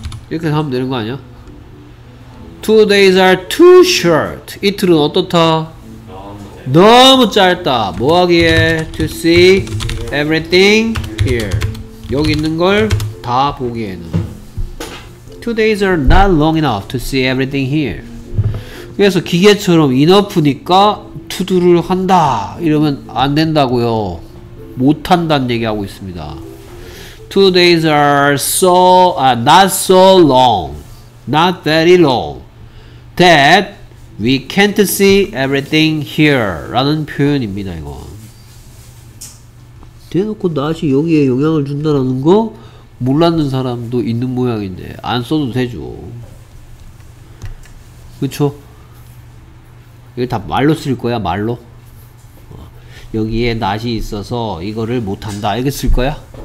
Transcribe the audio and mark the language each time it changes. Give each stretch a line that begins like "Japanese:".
Korean: 이렇게 하면 되는 거 아니야?
English: Two days are too short.
Korean: 이틀은 어떻다? 너무 짧다. 뭐 하기에?
English: To see everything here.
Korean: 여기 있는 걸 다 보기에는.
English: Two days are not long enough to see everything here.
Korean: 그래서 기계처럼 enough니까 to-do를 한다. 이러면 안 된다고요. 못 한다는 얘기하고 있습니다.
English: Two days are so, not so long, not very long, that we can't see everything here.
Korean: 라는 표현입니다, 이거. 대놓고 낫이 여기에 영향을 준다라는 거 몰랐는 사람도 있는 모양인데, 안 써도 되죠. 그쵸? 이거 다 말로 쓸 거야, 말로? 여기에 낫이 있어서 이거를 못한다. 이렇게 쓸 거야?